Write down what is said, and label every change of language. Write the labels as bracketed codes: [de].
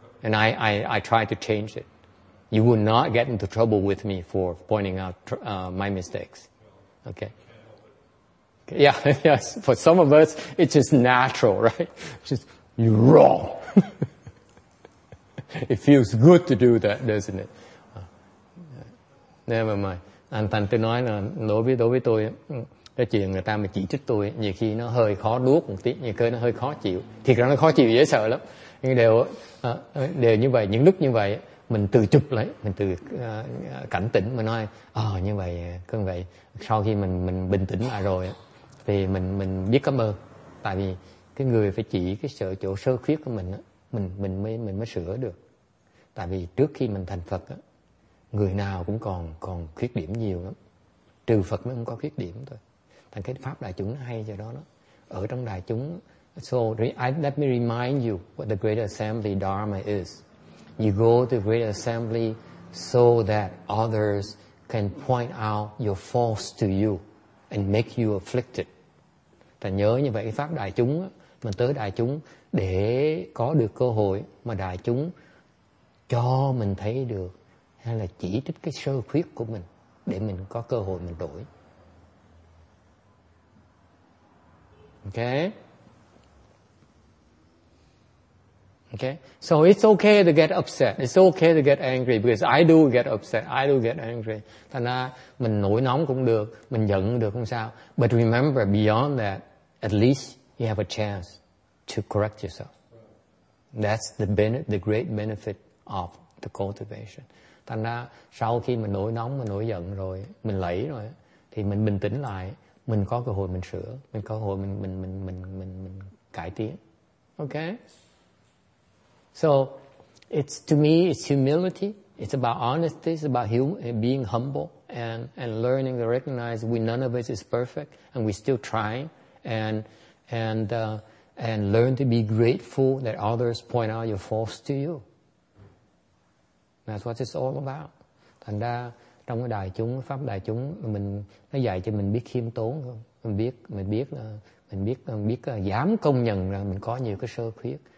[en] And I try to change it. You will not get into trouble with me for pointing out my mistakes. Okay? Yeah, yes. For some of us, it's just natural, right? Just, you're wrong. It feels good to do that, doesn't it? Never mind. [vi] Anh Thanh tôi nói là đối với tôi, cái chuyện người ta mà chỉ trích tôi, nhiều khi nó hơi khó đuốc một tí, nhiều khi nó hơi khó chịu. Thiệt ra nó khó chịu dễ sợ lắm. Nhưng đều như vậy, những lúc như vậy, mình tự chụp lấy, mình tự cảnh tỉnh, mình nói, như vậy, cứ vậy. Sau khi mình bình tĩnh lại rồi, thì mình biết cảm ơn. Tại vì cái người phải chỉ cái chỗ sơ khuyết của mình á, mình mới sửa được. Tại vì trước khi mình thành Phật á, người nào cũng còn khuyết điểm nhiều lắm, trừ Phật mới không có khuyết điểm thôi. Thành cái pháp đại chúng nó hay cho đó. Ở trong đại chúng, [en] so let me remind you what the Great Assembly Dharma is. You go to the Great Assembly so that others can point out your faults to you and make you afflicted. [vi] Thành nhớ như vậy, cái pháp đại chúng á, mình tới đại chúng để có được cơ hội mà đại chúng cho mình thấy được hay là chỉ trích cái sơ khuyết của mình để mình có cơ hội mình đổi. [en] Okay. So it's okay to get upset. It's okay to get angry because I do get upset. [vi] Thành ra mình nổi nóng cũng được, mình giận được không sao. [en] But remember, beyond that, at least you have a chance to correct yourself. That's the great benefit of the cultivation. [vi] Thành ra sau khi mình nổi nóng, mình nổi giận rồi, mình lẫy rồi, thì mình bình tĩnh lại, mình có cơ hội mình sửa, mình có cơ hội mình cải tiến. [en] Okay? So, it's humility. It's about honesty. It's about being humble and learning to recognize we none of us is perfect and we still trying and learn to be grateful that others point out your faults to you. That's what it's all about. [vi] Thành ra trong cái đại chúng, pháp đại chúng, mình nó dạy cho mình biết khiêm tốn không? Mình biết dám công nhận rằng mình có nhiều cái sơ khuyết.